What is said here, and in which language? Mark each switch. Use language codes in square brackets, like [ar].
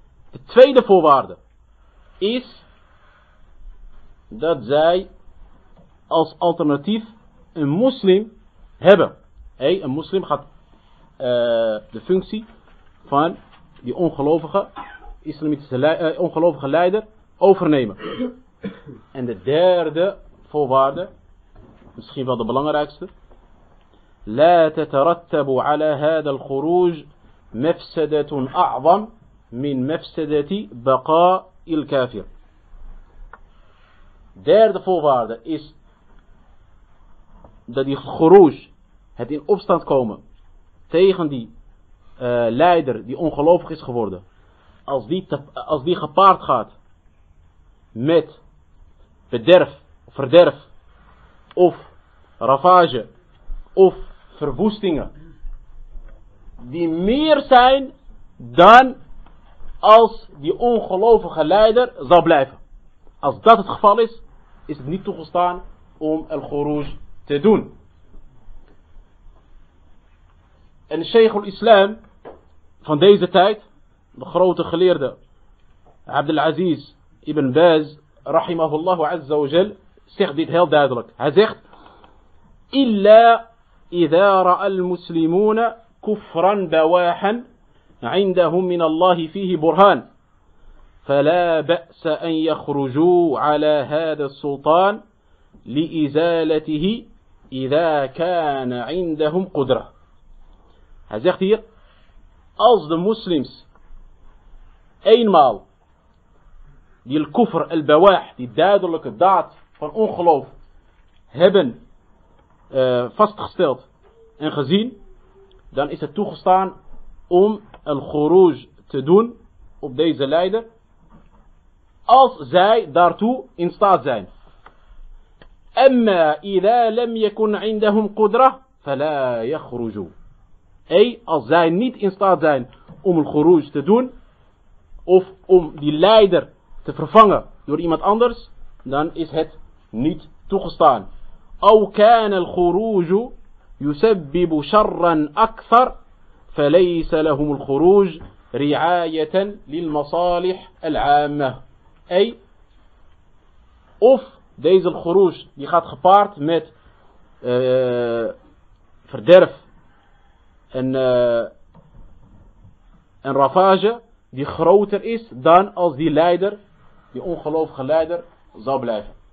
[nl] De tweede voorwaarde is dat zij als alternatief een moslim hebben. Een moslim gaat de functie van die ongelovige islamitische ongelovige leider overnemen. En de derde voorwaarde, misschien wel de belangrijkste, [ar] لا تترتب على هذا الخروج مفسدة أعظم من مفسدة بقاء الكافر. [nl] Derde voorwaarde is dat die خروج, het in opstand komen tegen die leider die ongelovig is geworden, als die gepaard gaat met bederf, verderf of ravage of verwoestingen die meer zijn dan als die ongelovige leider zal blijven. Als dat het geval is, is het niet toegestaan om al-Khuruj te doen. En Sheikh al-Islam van deze tijd, de grote geleerde Abdul Aziz ibn Baz rahimahullahu azza wa jal, zegt dit heel duidelijk. Hij zegt [ar] إلا إذا رأى المسلمون كفرا بواحا عندهم من الله فيه برهان فلا بأس أن يخرجوا على هذا السلطان لإزالته إذا كان عندهم قدرة. [nl] Hij zegt hier, als de moslims eenmaal die al-kufr al-bawah, die duidelijke daad van ongeloof hebben vastgesteld en gezien, dan is het toegestaan om al-khuruj te doen op deze leider, als zij daartoe in staat zijn. [ar] Amma ila lam yakun indahum qudra fala yakhruju. [nl] Als zij niet in staat zijn om al-khuruj te doen of om die leider te vervangen door iemand anders, dan is het niet toegestaan. [ar] أو كان الخروج يسبب شرا أكثر فليس لهم الخروج رعاية للمصالح العامة. [nl] أي of deze الخروج die gaat gepaard met verderf en ravage die groter is dan als die leider, die ongelovige leider, zou blijven.